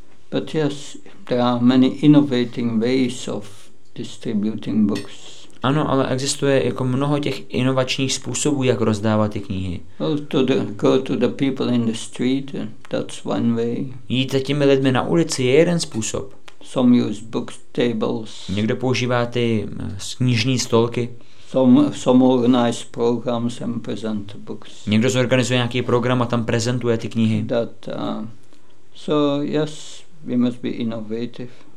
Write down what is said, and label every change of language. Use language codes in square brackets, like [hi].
[en] But yes, there are many innovating ways of distributing books. [cs] Ano, ale existuje jako mnoho těch inovačních způsobů, jak rozdávat ty knihy. [en] Go to the people in the street, that's one way. [cs] Jít za těmi lidmi na ulici je jeden způsob. [en] Some use book tables. [cs] Někdo používá ty knižní stolky. [en] Some organize programs and present books. [cs] Někdo zorganizuje nějaký program a tam prezentuje ty knihy. [en] So yes, we must be innovative.